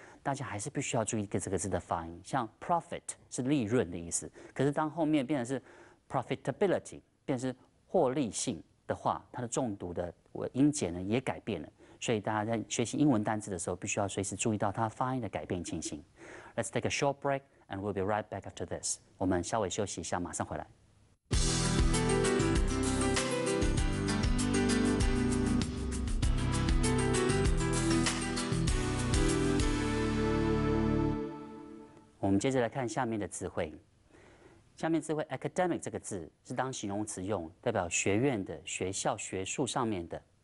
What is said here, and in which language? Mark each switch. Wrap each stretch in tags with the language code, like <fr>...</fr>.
<zh>大家还是必须要注意一个这个字的发音，像 profit 是利润的意思，可是当后面变成是 profitability， 变成是获利性的话，它的重读的音节呢也改变了，所以大家在学习英文单字的时候，必须要随时注意到它发音的改变情形。</zh> <en>Let's take a short break, and we'll be right back after this.</en> <zh>我们稍微休息一下，马上回来。我们接着来看下面的智慧。下面智慧 academic 这个字是当形容词用，代表学院的、学校、学术上面的。</zh>